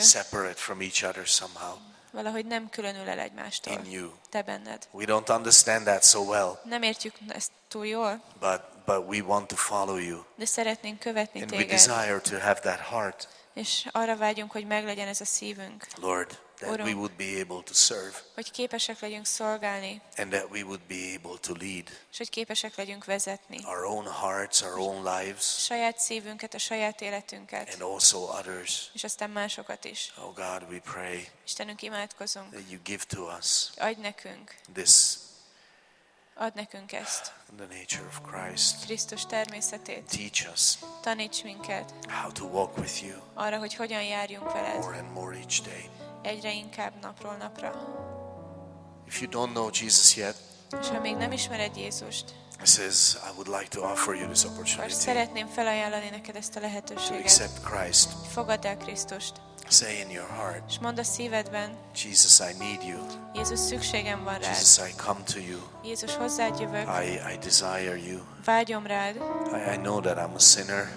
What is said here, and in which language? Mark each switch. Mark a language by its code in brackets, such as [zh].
[en] Separate from each other somehow. [hu] Valahogy nem különül el egymástól. [en] In you. [hu] Te benned. [en] We don't understand that so well. [hu] Nem értjük ezt túl jól. [en] But we want to follow you. [hu] De szeretnénk követni [en] and [hu] téged. [en] We desire to have that heart. [hu] És arra vágyunk, hogy meglegyen ez a szívünk. [en] Lord, that Urunk, we would be able to serve. [hu] Hogy képesek legyünk szolgálni. [en] And that we would be able to lead. [hu] És hogy képesek legyünk vezetni. [en] Our own hearts, our own lives. [hu] Saját szívünket, a saját életünket. [en] And also others. [hu] És aztán másokat is. [en] Oh God, we pray. [hu] Istenünk, imádkozunk. [en] That you give to us. [hu] Adj nekünk. [en] This. [hu] Add nekünk ezt. [en] The nature of Christ. [hu] Krisztus természetét. [en] Teach us. [hu] Taníts minket. [en] How to walk with you. [hu] Arra, hogy hogyan járjunk veled. [en] More and more each day. [hu] Egyre inkább napról napra. [en] If you don't know Jesus yet. [hu] És ha még nem ismered Jézust. [en] He says, I would like to offer you this opportunity. [hu] Most szeretném felajánlani neked ezt a lehetőséget. [en] To accept Christ. [hu] Fogadd el Krisztust. [en] Say in your heart. [hu] És mondd a szívedben. [en] Jesus, I need you. [hu] Jézus, szükségem van rád. [en] Jesus, I come to you. [hu] Jézus, hozzád jövök. [en] I desire you. [hu] Vágyom rád. [en] I know that I'm a sinner.